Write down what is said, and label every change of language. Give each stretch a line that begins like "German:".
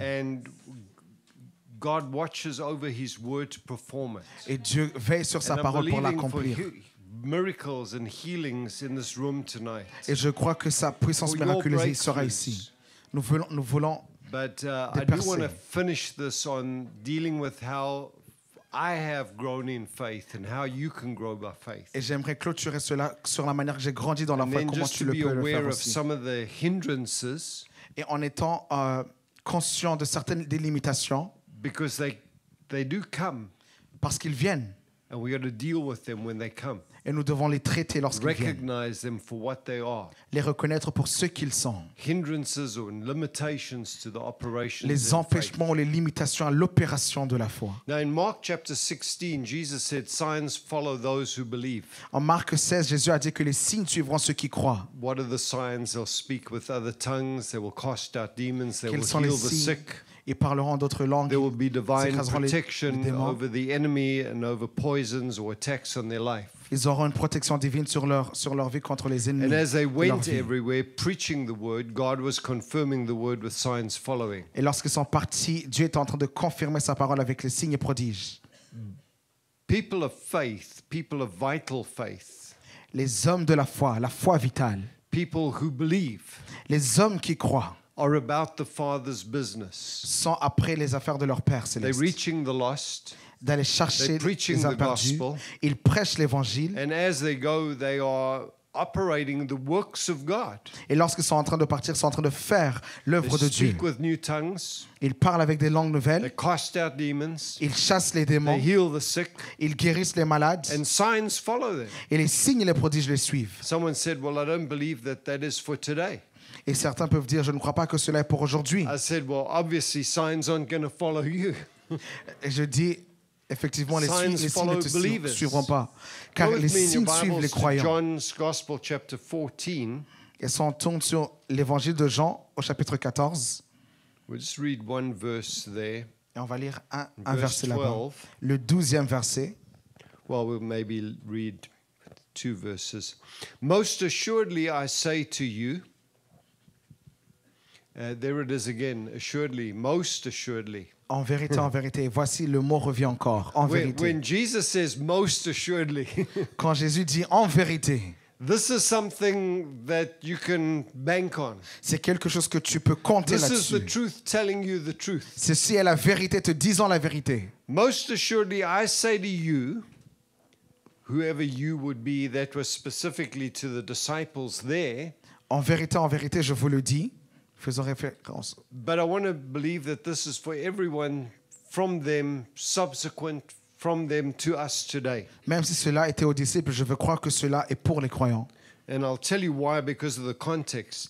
English: And God watches over his word to perform it.
French: Et Dieu veille sur sa parole pour l'accomplir.
English: Miracles and healings in this room tonight.
French: Et je crois que sa puissance miraculeuse sera ici. Nous voulons
English: But I do want to finish this on dealing with how I have grown in faith and how you can grow by faith.
French: Et j'aimerais clôturer cela sur la manière que j'ai grandi dans la foi, comment tu le peux le faire aussi.
English: Of some of the hindrances,
French: et en étant conscient de certaines des limitations.
English: Because they do come.
French: Parce qu'ils viennent.
English: And we got to deal with them when they come.
French: Et nous devons les traiter lorsqu'ils
English: recognize
French: viennent.
English: Them for what they are.
French: Les reconnaître pour ce qu'ils sont.
English: Hindrances or limitations to the operations
French: les empêchements ou les limitations à l'opération de la foi.
English: Now in Mark chapter 16, Jesus said, signs follow those who believe.
French: En Marc 16, Jésus a dit que les signes suivront ceux qui croient.
English: What are the signs? They'll speak with other tongues, they will cast out demons, they will heal the sick.
French: Ils parleront d'autres langues.
English: There will be divine protection over the enemy and over poisons or attacks on their life.
French: Ils auront une protection divine sur leur vie contre les ennemis.
English: And as they went everywhere preaching the word, God was confirming the word with signs following.
French: Et lorsqu'ils sont partis, Dieu est en train de confirmer sa parole avec les signes et prodiges.
English: People of faith, people of vital faith.
French: Les hommes de la foi vitale.
English: People who believe.
French: Les hommes qui croient.
English: Are about the Father's business.
French: Sont après les affaires de leur Père céleste.
English: They're reaching the lost.
French: D'aller chercher les imperdus. Ils prêchent l'évangile.
English: And as they go, they are operating the works of God.
French: Et lorsqu'ils sont en train de partir, ils sont en train de faire l'œuvre de Dieu.
English: They speak with new tongues.
French: Ils parlent avec des langues nouvelles.
English: They cast out demons.
French: Ils chassent les démons.
English: They heal the sick.
French: Ils guérissent les malades.
English: And signs follow them.
French: Et les signes et les prodiges les suivent.
English: Someone said, "Well, I don't believe that that is for today."
French: Et certains peuvent dire, "Je ne crois pas que cela est pour aujourd'hui."
English: I said, "Well, obviously, signs aren't going to follow you."
French: Et je dis effectivement, les signes ne te suivront pas. Car les signes suivent les croyants.
English: John's Gospel, chapter 14.
French: Et si on tourne sur l'évangile de Jean au chapitre 14,
English: we'll just read one verse there.
French: Et on va lire un verset là-bas. Le 12e verset.
English: Well, we'll maybe read two verses. Most assuredly, I say to you. There it is again. Assuredly, most assuredly.
French: En vérité, voici le mot revient encore. En vérité.
English: When Jesus says most assuredly.
French: Quand Jésus dit en vérité.
English: This is something that you can bank on.
French: C'est quelque chose que tu peux compter
English: this
French: là-dessus.
English: This is the truth telling you the truth.
French: Ceci est la vérité te disant la vérité.
English: Most assuredly, I say to you, whoever you would be, that was specifically to the disciples there.
French: En vérité, je vous le dis. Faisons référence.
English: But I want to believe that this is for everyone from them, subsequent from them to us today.
French: Même si cela était aux disciples, je veux croire que cela est pour les croyants.
English: And I'll tell you why because of the context.